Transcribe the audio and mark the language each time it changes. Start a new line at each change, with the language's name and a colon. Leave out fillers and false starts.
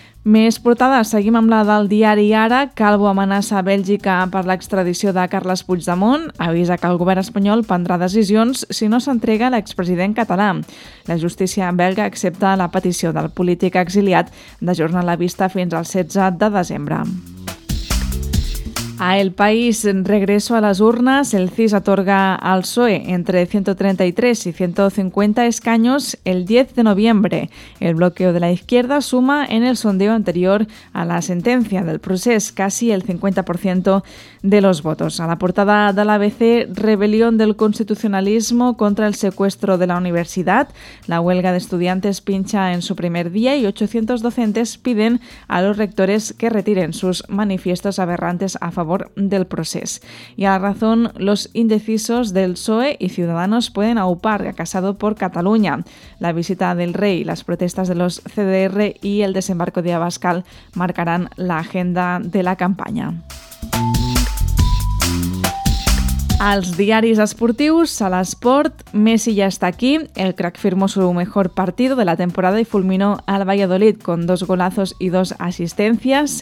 Catalan: Més portades, seguim amb la del diari Ara. Calvo amenaça a Bèlgica per l'extradició de Carles Puigdemont. Avisa que el govern espanyol prendrà decisions si no s'entrega l'expresident català. La justícia belga accepta la petició del polític exiliat d'ajornar la vista fins al 16 de desembre.
Spanish: A El País, regreso a las urnas, el CIS otorga al PSOE entre 133 y 150 escaños el 10 de noviembre. El bloqueo de la izquierda suma en el sondeo anterior a la sentencia del procés casi el 50% de los votos. A la portada de la ABC, rebelión del constitucionalismo contra el secuestro de la universidad. La huelga de estudiantes pincha en su primer día y 800 docentes piden a los rectores que retiren sus manifiestos aberrantes a favor del procés. Y a la razón, los indecisos del PSOE y Ciudadanos pueden aupar a Casado por Cataluña. La visita del rey, las protestas de los CDR y el desembarco de Abascal marcarán la agenda de la campaña.
Catalan: Als diaris esportius, a l'esport, Messi ja està aquí.
Spanish: El crack firmó su mejor partido de la temporada y fulminó al Valladolid con 2 golazos y 2 asistencias.